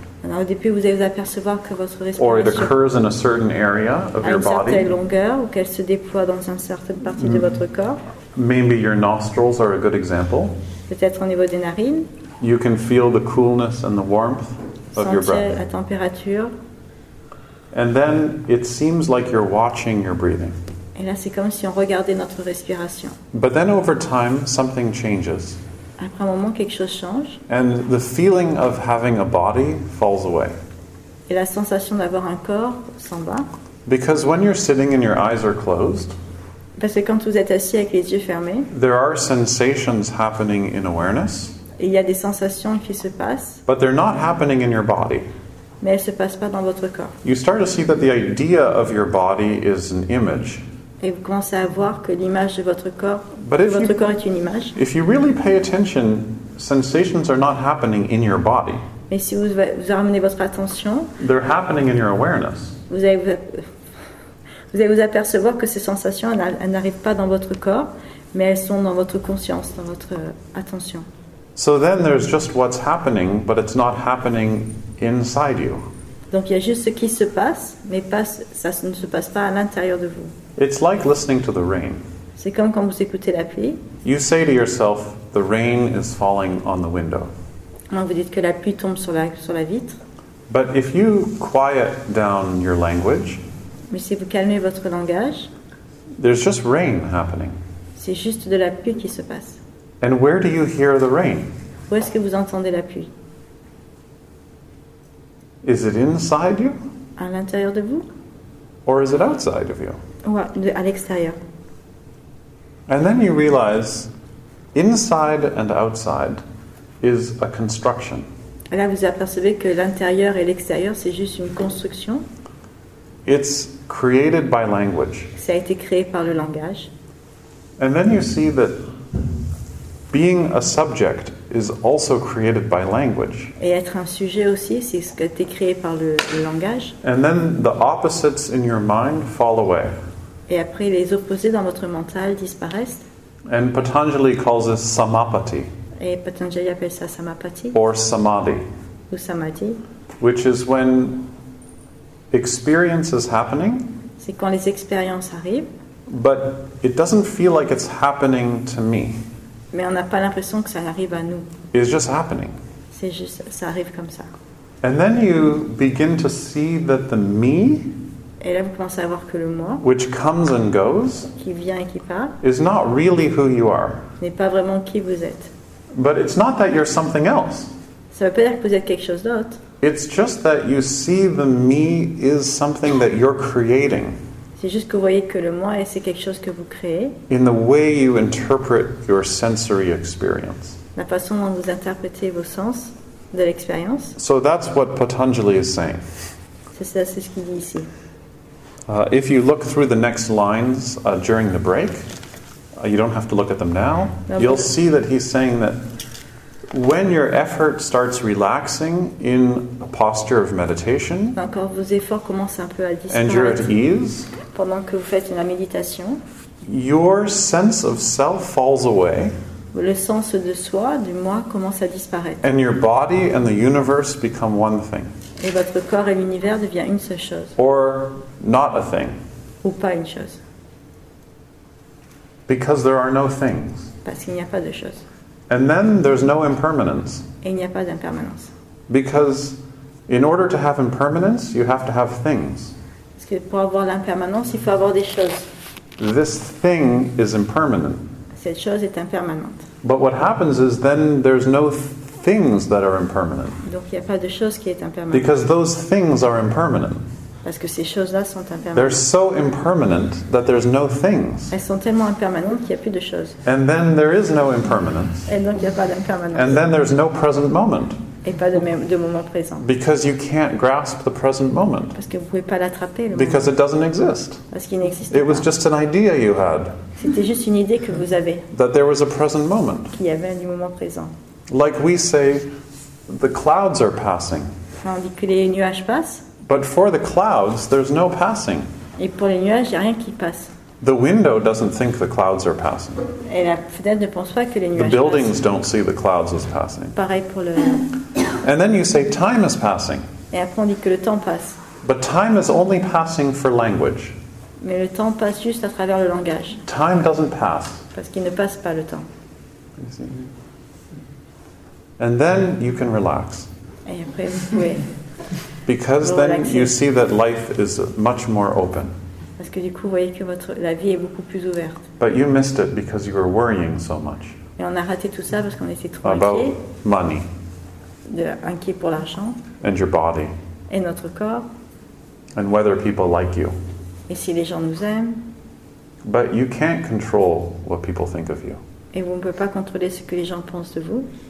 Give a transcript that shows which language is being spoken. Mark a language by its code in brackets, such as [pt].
[fr] Alors, au début, vous allez apercevoir que votre respiration [en] or it occurs in a certain area of your body. [fr] Longueur, ou qu'elle se déploie dans une certaine partie de votre corps. [en] Maybe your nostrils are a good example. [fr] Peut-être au niveau des narines. [en] You can feel the coolness and the warmth of your breath. [fr] Sentir la température. [en] And then it seems like you're watching your breathing. [fr] Et là, c'est comme si on regardait notre respiration. [en] But then over time, something changes. [fr] Après un moment, quelque chose change. [en] And the feeling of having a body falls away. [fr] Et la sensation d'avoir un corps s'en va. [en] Because when you're sitting and your eyes are closed, [fr] parce que quand vous êtes assis avec les yeux fermés, [en] there are sensations happening in awareness. [fr] Et il y a des sensations qui se passent. [en] But they're not happening in your body. [fr] Mais elles se passent pas dans votre corps. [en] You start to see that the idea of your body is an image. [fr] Et vous commencez à voir que l'image de votre corps, votre corps est une image. [en] If you really pay attention, sensations are not happening in your body. [fr] Mais si vous ramenez votre attention, [en] they're happening in your awareness. [fr] Vous allez vous apercevoir que ces sensations, elles n'arrivent pas dans votre corps, mais elles sont dans votre conscience, dans votre attention. [en] So then there's just what's happening, but it's not happening inside you. [fr] Donc il y a juste ce qui se passe, mais ça ne se passe pas à l'intérieur de vous. [en] It's like listening to the rain. [fr] C'est comme quand vous écoutez la pluie. [en] You say to yourself, the rain is falling on the window. [fr] Donc vous dites que la pluie tombe sur la vitre. [en] But if you quiet down your language, [fr] mais si vous calmez votre langage, [en] there's just rain happening. [fr] C'est juste de la pluie qui se passe. [en] And where do you hear the rain? [fr] Où est-ce que vous entendez la pluie? [en] Is it inside you? [fr] À l'intérieur de vous? [en] Or is it outside of you? [fr] À l'extérieur. [en] And then you realize inside and outside is a construction. [fr] Et là, vous apercevez que l'intérieur et l'extérieur, c'est juste une construction. [en] It's created by language. [fr] Ça a été créé par le langage. [en] And then you see that being a subject is also created by language. [fr] Et être un sujet aussi, c'est ce qui a été créé par le langage. [en] And then the opposites in your mind fall away. [fr] Et après, les opposés dans votre mental disparaissent. [en] And Patanjali calls this samapati. [fr] Et Patanjali appelle ça samapati. [en] Or samadhi. [fr] Ou samadhi. [en] Which is when experience is happening. [fr] C'est quand les expériences arrivent. [en] But it doesn't feel like it's happening to me. [fr] Mais on n'a pas l'impression que ça arrive à nous. [en] It's just happening. [fr] C'est juste, ça arrive comme ça. [en] And then you begin to see that the me, [fr] et là, vous commencez à voir que le moi, [en] which comes and goes, [fr] qui vient et qui part, [en] is not really who you are. [fr] N'est pas vraiment qui vous êtes. [en] But it's not that you're something else. [fr] Ça veut pas dire que vous êtes quelque chose d'autre. [en] It's just that you see the me is something that you're creating. [fr] C'est juste que vous voyez que le moi et c'est quelque chose que vous créez. [en] In the way you interpret your sensory experience. [fr] La façon dont vous interprétez vos sens de l'expérience. [en] So that's what Patanjali is saying. [fr] C'est ça, c'est ce qu'il dit ici. [en] If you look through the next lines during the break, you don't have to look at them now. Non, you'll see that he's saying that when your effort starts relaxing in a posture of meditation, [fr] encore vos efforts commencent un peu à disparaître, [en] and you're at ease, [fr] pendant que vous faites la méditation, [en] your sense of self falls away, [fr] le sens de soi, du moi, commence à disparaître, [en] and your body and the universe become one thing, [fr] et votre corps et l'univers devient une seule chose, [en] or not a thing, [fr] ou pas une chose, [en] because there are no things, [fr] parce qu'il n'y a pas de choses. [en] And then there's no impermanence. [fr] Et il n'y a pas d'impermanence. [en] Because in order to have impermanence, you have to have things. [fr] Parce que pour avoir l'impermanence, il faut avoir des choses. [en] This thing is impermanent. [fr] Cette chose est impermanente. [en] But what happens is then there's no things that are impermanent. [fr] Donc il n'y a pas de choses qui est impermanente. [en] Because those things are impermanent. [fr] Parce que ces choses-là sont impermanentes. [en] They're so impermanent that there's no things. [fr] Elles sont tellement impermanentes qu'il n'y a plus de choses. [en] And then there is no impermanence. [fr] Et donc il n'y a pas d'impermanence. [en] And then there's no present moment. [fr] Et pas de moment présent. [en] Because you can't grasp the present moment. [fr] Parce que vous ne pouvez pas l'attraper. Le moment. [en] Because it doesn't exist. [fr] Parce qu'il n'existe [en] pas. It was just an idea you had. [fr] C'était juste une idée que vous avez. [en] That there was a present moment. [fr] Qu'il y avait un moment présent. [en] Like we say, the clouds are passing. [fr] On dit que les nuages passent. [en] But for the clouds, there's no passing. [fr] Et pour les nuages, y a rien qui passe. [en] The window doesn't think the clouds are passing. [fr] Et la fenêtre ne pense pas que les nuages [en] the buildings Don't see the clouds as passing. [fr] Pareil pour le... [en] And then you say time is passing. [fr] Et après on dit que le temps passe. [en] But time is only passing for language. [fr] Mais le temps passe juste à travers le langage. [en] Time doesn't pass. [fr] Parce qu'il ne passe pas le temps. [en] And then you can relax. [fr] Et après vous pouvez... [en] Because then you see that life is much more open. [fr] Parce que du coup, vous voyez que votre la vie est beaucoup plus ouverte. [en] But you missed it because you were worrying so much. [fr] Et on a raté tout ça parce qu'on était trop [en] about [fr] inquiet. [en] About money. [fr] De inquiet pour l'argent. [en] And your body. [fr] Et notre corps. [en] And whether people like you. [fr] Et si les gens nous aiment. [en] But you can't control what people think of you. [fr] Et vous ne pouvez pas contrôler ce que les gens pensent de vous.